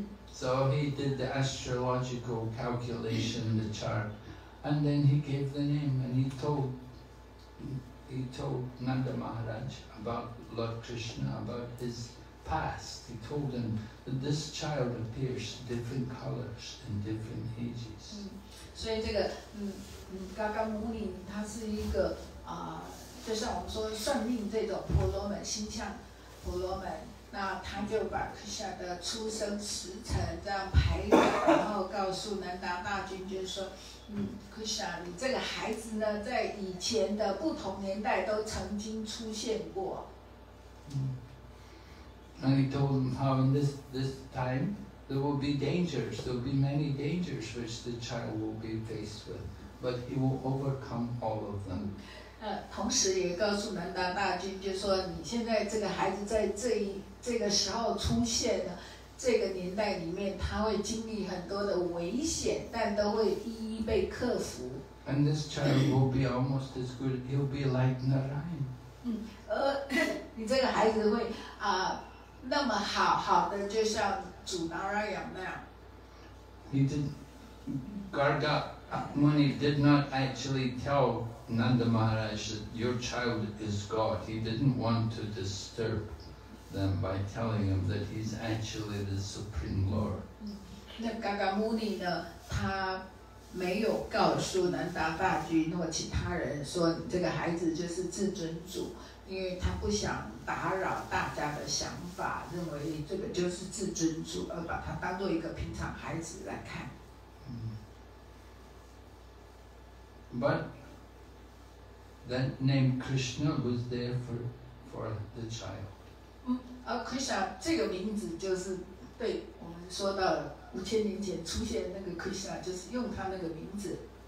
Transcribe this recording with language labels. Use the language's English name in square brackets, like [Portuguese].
[English] So he did the astrological calculation, the chart, and then he gave the name, and he told Nanda Maharaj about Lord Krishna, about his past. He told him that this child appears different colors in different ages. [Chinese] 所以这个嘎嘎母女她是一个就像我们说算命这种婆罗门星象婆罗门，那他就把 Krishna 的出生时辰这样排列，然后告诉南达大君，就是说。 Krishna， 你这个孩子呢，在以前的不同年代都曾经出现过。 [English] And he told him how in this time there will be dangers, there will be many dangers which the child will be faced with, but he will overcome all of them. [Chinese] 同时也告诉南达大君，就说你现在这个孩子在这个时候出现的。这个年代里面，他会经历很多的危险，但都会一一被克服。 [English] And this child will be almost as good. He'll be like Narayan. [Chinese] 你这个孩子会那么好的，就像主 Narayan 那样。 [English] He did. Garga Muni did not actually tell Nanda Maharaj that your child is God. He didn't want to disturb. Them by telling him that he's actually the supreme lord. [Chinese] 那嘎嘎牟尼呢？他没有告诉南达大君或其他人说这个孩子就是至尊主，因为他不想打扰大家的想法，认为这个就是至尊主，而把他当作一个平常孩子来看。 [English] But that name Krishna was there for the child. [Chinese] Krishna 这个名字就是对我们说到了五千年前出现那个 Krishna 就是用他那个名字。